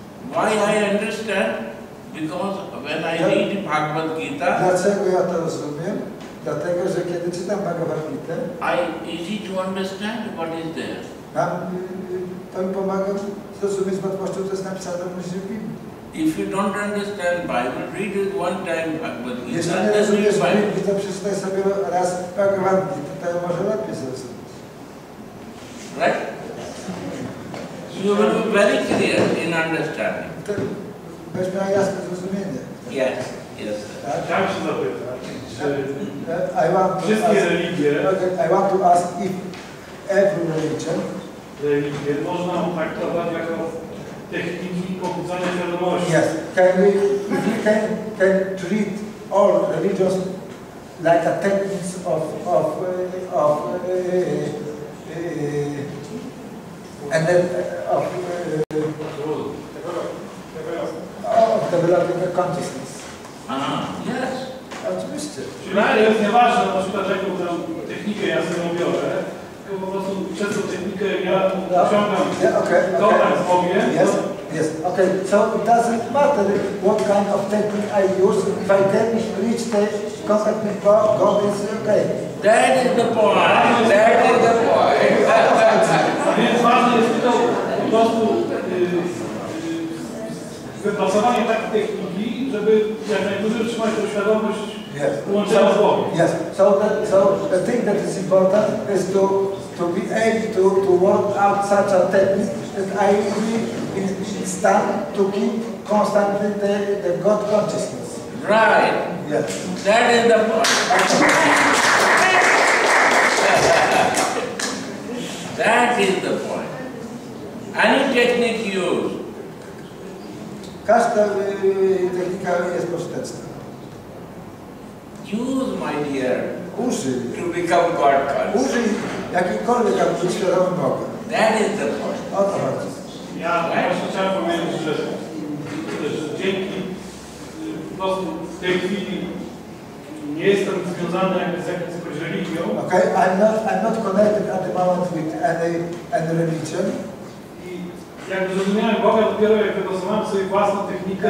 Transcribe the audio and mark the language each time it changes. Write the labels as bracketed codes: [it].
[en] Why I understand? Because when I read Bhagavad Gita, [pl] dlaczego ja to rozumiem? Dlatego, że kiedy czytam Bhagavad Gita, [en] I easy to understand what is there. [pl] To mi pomaga zrozumieć z łatwością, co jest napisane w Biblii. [en] If you don't understand Bible, read it one time Bhagavad Gita. [pl] Jeśli nie rozumiesz Biblii, to przeczytaj sobie raz Bhagavad Gita, to może lepiej zrozumieć. [en] Right? You will be very clear in understanding. [pl] Weź miała jasne zrozumienie. [en] Yes. [pl] Tak się zapytać, że wszystkie religie... [en] I want to ask if every religion... [pl] Religie można traktować jako techniki pobudzania świadomości. [en] Yes. Can we treat all religions like a technique of developing a consciousness. Yes. [pl] Oczywiście. Czyli jest nieważne, na przykład jaką technikę ja sobie biorę, tylko po prostu przez tą technikę ja osiągam kontakt z Bogiem. [en] Yes. Okay. So it doesn't matter what kind of technique I use. If I can reach the contact with God, it's okay. That is the point. That is the point. [pl] Więc ważne jest to po prostu wypracowanie takiej techniki, żeby jak najdłużej trzymać tą świadomość połączenia z Bogiem. [en] Yes. So the thing that is important is to be able to work out such a technique that I agree. It's time to keep constantly the God consciousness. Right. Yes. That is the point. That is the point. Any technique you use. [pl] Każda technika jest pożyteczna. [en] Use, my dear. [pl] Użyj. [en] To become God consciousness. [pl] Użyj jakikolwiek, aby być świadomym Boga. [en] That is the point. [pl] O to chodzi. Ja właśnie chciałem powiedzieć, że dzięki po prostu w tej chwili nie jestem związany z jakąś religią. [en] Okay, I'm not connected at the moment with any religion. [pl] I jak zrozumiałem Boga dopiero jak wypracowałem sobie własną technikę.